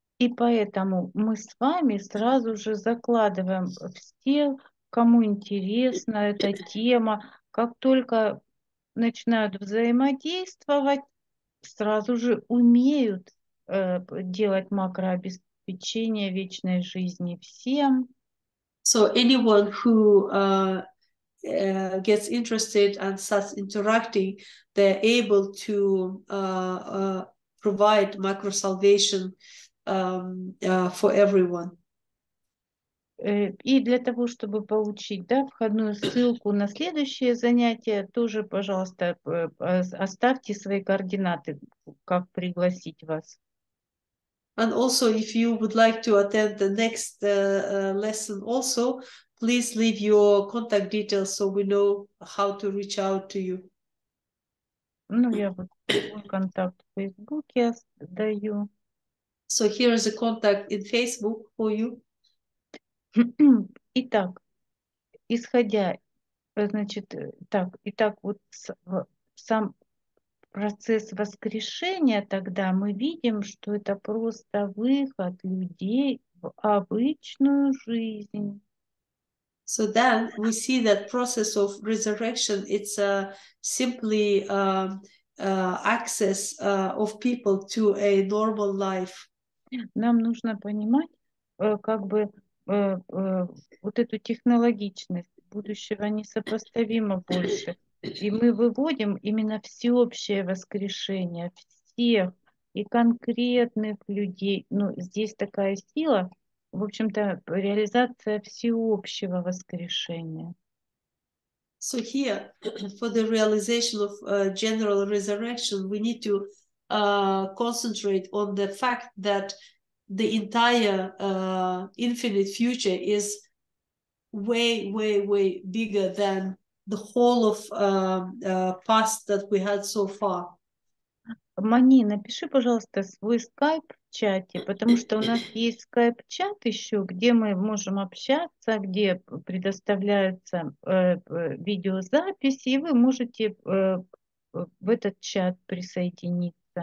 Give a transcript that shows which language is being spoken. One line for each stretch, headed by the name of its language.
Russian: И поэтому мы с вами сразу же закладываем все, кому интересна эта тема. Как только начинают взаимодействовать, сразу же умеют делать макрообеспечение. обеспечение вечной жизни всем.
English: So anyone who gets interested and starts interacting, they're able to provide micro salvation for everyone.
Russian: И для того, чтобы получить, да, входную ссылку на следующее занятие, тоже, пожалуйста, оставьте свои координаты, как пригласить вас.
English: And also, if you would like to attend the next lesson also, please leave your contact details so we know how to reach out to you.
Russian: Ну, я вот контакт в Фейсбуке даю.
English: So here is a contact in Facebook for you.
Russian: Итак, исходя, значит, так, итак, вот сам процесс воскрешения, тогда мы видим, что это просто выход людей в обычную жизнь.
English: So then we see that process of resurrection, it's a simply access of people to a normal life.
Russian: Нам нужно понимать, как бы, вот эту технологичность будущего несопоставимо больше. И мы выводим именно всеобщее воскрешение всех и конкретных людей. Ну, здесь такая сила, в общем-то, реализация всеобщего воскрешения.
English: So here, for the realization of general resurrection, we need to concentrate on the fact that the entire infinite future is way, way, way bigger than the whole of past that we had so far.
Russian: Мани, напиши, пожалуйста, свой скайп в чате, потому что у нас есть скайп-чат еще, где мы можем общаться, где предоставляется видеозапись, и вы можете в этот чат присоединиться.